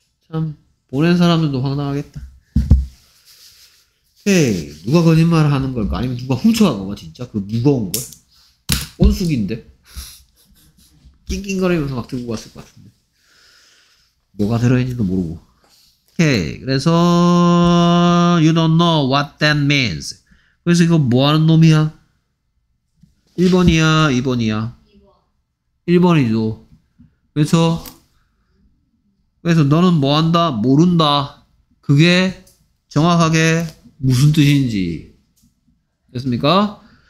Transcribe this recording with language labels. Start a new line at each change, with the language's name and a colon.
Korean: 참 보낸 사람들도 황당하겠다. 헤이, 누가 거짓말을 하는 걸까? 아니면 누가 훔쳐간 건가? 진짜 그 무거운 걸? 온수기인데? 낑낑거리면서 막 들고 갔을 것 같은데 뭐가 들어있는지도 모르고. 헤이, 그래서
English: You don't know what that means.
Korean: 그래서 이거 뭐하는 놈이야? 1번이야? 2번이야? 2번. 1번이죠. 그래서 너는 뭐 한다? 모른다. 그게 정확하게 무슨 뜻인지. 됐습니까?